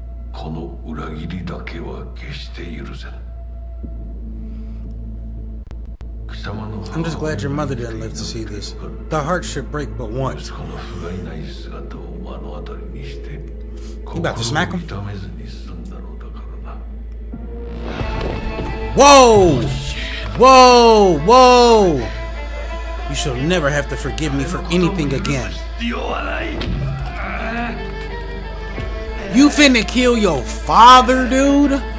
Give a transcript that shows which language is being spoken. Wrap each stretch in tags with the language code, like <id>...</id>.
<ja>この裏切りだけは決して許せない。貴様の</ja> <en>I'm just glad your mother didn't live to see this. The heart should break but once.</en> <ja>息子の不甲斐ない姿を目の当たりにして心を痛めずに済んだのだからな。</ja> <en>Whoa! Whoa! Whoa! You shall never have to forgive me for anything again. You finna kill your father, dude?</en>